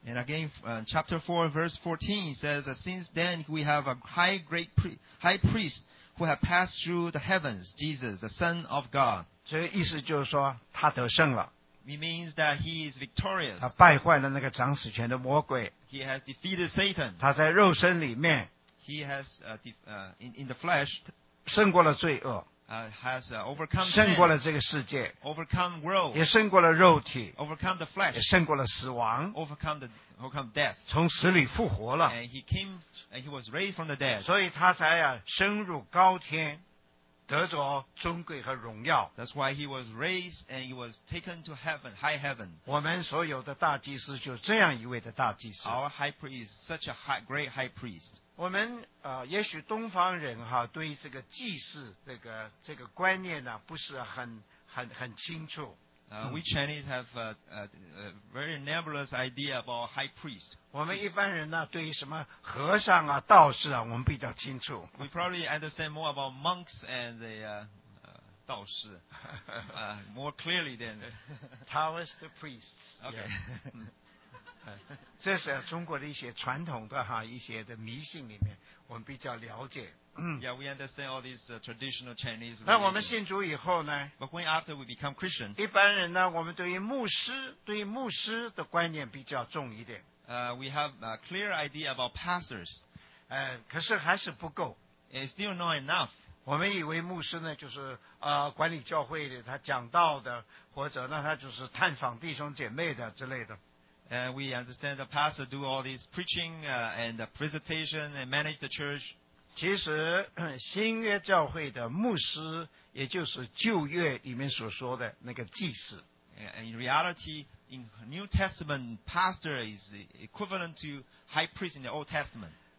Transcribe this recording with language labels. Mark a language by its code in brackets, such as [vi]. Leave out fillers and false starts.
[en] And again, chapter 4, verse 14 says, since then we have a high priest who have passed through the heavens, Jesus, the Son of God. [zh] 这个意思就是说他得胜了。 [en] It means that he is victorious. [zh] 他败坏了那个掌死权的魔鬼。 [en] He has defeated Satan. [zh] 他在肉身里面。 [en] He has in the flesh [zh] 胜过了罪恶 [en] has overcome sin, [zh] 胜过了这个世界 [en] overcome world [zh] 也胜过了肉体 [en] overcome the flesh [zh] 也胜过了死亡 [en] overcome death [zh] 从死里复活了 [en] and he was raised from the dead [zh] 所以他才升入高天得着尊贵和荣耀 [en] That's why he was raised and he was taken to heaven, high heaven. [zh] 我们所有的大祭司就这样一位的大祭司 [en] Our high priest is such a great high priest. [zh] 我们也许东方人哈对这个祭司这个观念呢不是很清楚。 [en] We Chinese have a very nebulous idea about high priest. [zh] 我们一般人呢，对于什么和尚啊、道士啊，我们比较清楚。 [en] We probably understand more about monks and the 道士 more clearly than Taoist priests. Okay. [zh] 这是中国的一些传统的哈一些的迷信里面，我们比较了解。 [en] Yeah, we understand all these traditional Chinese. [zh] 那我们信主以后呢 [en] ？But when after we become Christian, [zh] 一般人呢，我们对于牧师的观念比较重一点。 [en] We have a clear idea about pastors. [zh] 可是还是不够。 [en] It's still not enough. [zh] 我们以为牧师呢，就是管理教会的，他讲道的，或者呢，他就是探访弟兄姐妹的之类的。 [en] And we understand the pastor do all these preaching and the presentation and manage the church. [zh] 其实新约教会的牧师，也就是旧约里面所说的那个祭司。 [en] And in reality, in New Testament, pastor is equivalent to high priest in the Old Testament.